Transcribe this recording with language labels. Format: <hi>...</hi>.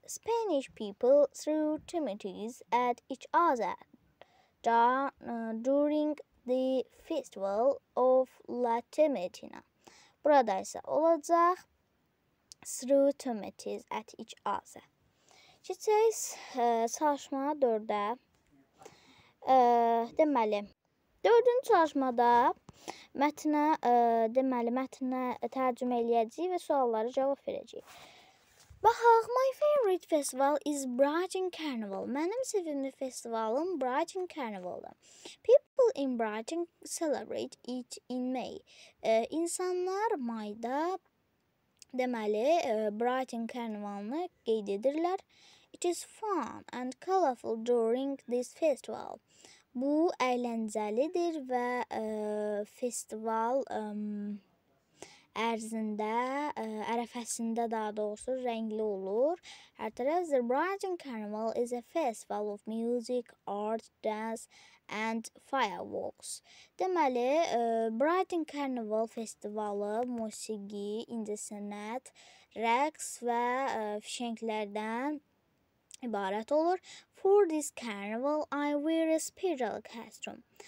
<en>Spanish people threw tomatoes at each other during the festival of La Tomatina.</en> <az>Burada ise olacaq</az> <en>threw tomatoes at each other.</en> <az>Keçəyiz çalışma 4-də. Deməli, 4-cü çalışmada mətnə, deməli, mətnə tərcümə eləyəcəyik və suallara cavab verəcəyik. Baxaq,</az> <en>my favorite festival is Brighton Carnival.</en> <az>Mənim sevimli festivalım Brighton Carnival'dır.</az> <en>People in Brighton celebrate it in May.</en> <az>İnsanlar mayda, deməli, Brighton Carnival'ını qeyd edirlər.</az> <en>It is fun and colorful during this festival.</en> <az>Bu əyləncəlidir və festival ərzində, ərəfəsində daha doğrusu rəngli olur. Hər tərəf,</az> <en>the Brighton Carnival is a festival of music, art, dance and fireworks.</en> <az>Deməli, Brighton Carnival festivalı musiqi, incəsənət, rəqs və fişənglərdən ibarət olur.</az> <en>For this carnival, I wear a special costume.</en>